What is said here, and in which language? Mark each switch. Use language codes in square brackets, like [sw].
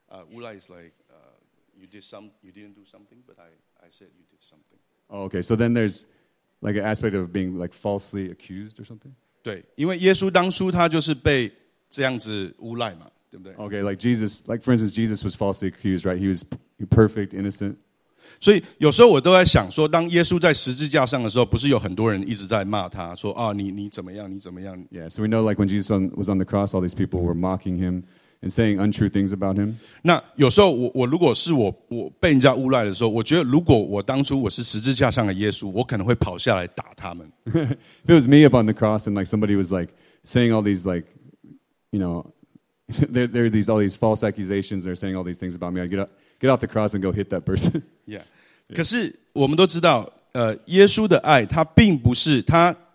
[en] Eulai is like you did some, you didn't do something, but I said you did something. Oh, okay, so then there's like an aspect of being like falsely accused or something? [zh] 对，因为耶稣当初他就是被这样子诬赖嘛，对不对？ [en] Okay, like Jesus, like for instance, Jesus was falsely accused, right? He was perfect, innocent. [zh] 所以有时候我都在想说，当耶稣在十字架上的时候，不是有很多人一直在骂他，说啊，你怎么样，你怎么样？ [en] Yeah, so we know like when Jesus was on the cross, all these people were mocking him. and saying untrue things about him. [zh] 那有时候我如果是我被人家诬赖的时候，我觉得如果我当初我是十字架上的耶稣，我可能会跑下来打他们。 [en] If it was me up on the cross and like somebody was like saying all these like, you know, there are these all these false accusations, they're saying all these things about me, I'd get off the cross and go hit that person. Yeah. [zh] 可是我们都知道，耶稣的爱，他并不是他。